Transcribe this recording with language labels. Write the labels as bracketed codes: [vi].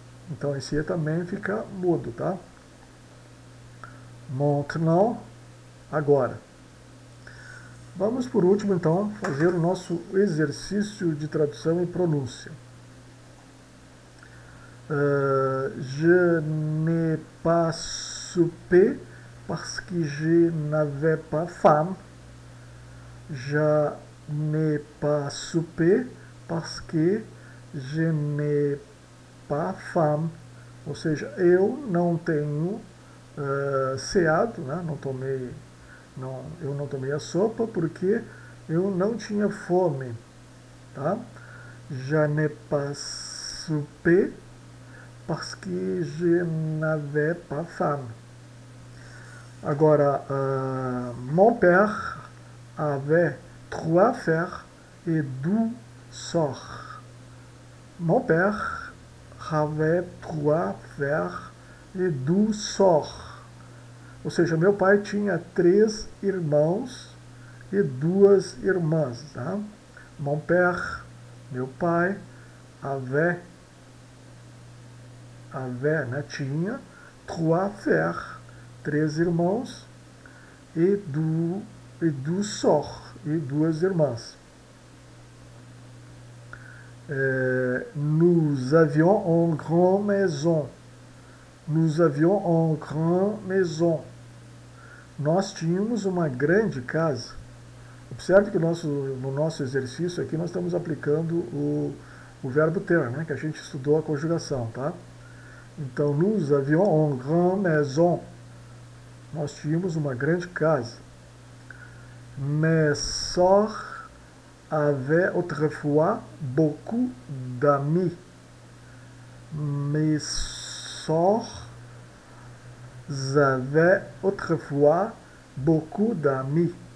[pt] Então esse aqui também fica mudo, tá? Maintenant. Agora. Vamos por último, então, fazer o nosso exercício de tradução e pronúncia. [fr] Je n'ai pas soupé parce que je n'avais pas faim. Je n'ai pas soupé parce que je n'ai pas faim. [pt] Ou seja, eu não tenho ceado, né? Não tomei. Não, eu não tomei a sopa porque eu não tinha fome, tá? [fr] Je n'ai pas soupé parce que je n'avais pas faim. Agora, mon père avait trois fers et deux soeurs. Mon père avait trois fers et deux soeurs. [pt] Ou seja, meu pai tinha três irmãos e duas irmãs, tá? [fr] Mon père, [pt] meu pai, avait, né, tinha [fr] trois frères, [pt] três irmãos e duas sœurs, e duas irmãs. [fr] Nous avions une grande maison. Nous avions une grande maison. [pt] Nós tínhamos uma grande casa. Observe que no nosso exercício aqui nós estamos aplicando o verbo ter, né? Que a gente estudou a conjugação, tá? [fr] Então, nous avions une grande maison. [pt] Nós tínhamos uma grande casa. [fr] Mes soeurs avaient autrefois beaucoup d'amis. Mes soeurs avaient autrefois beaucoup d'amis.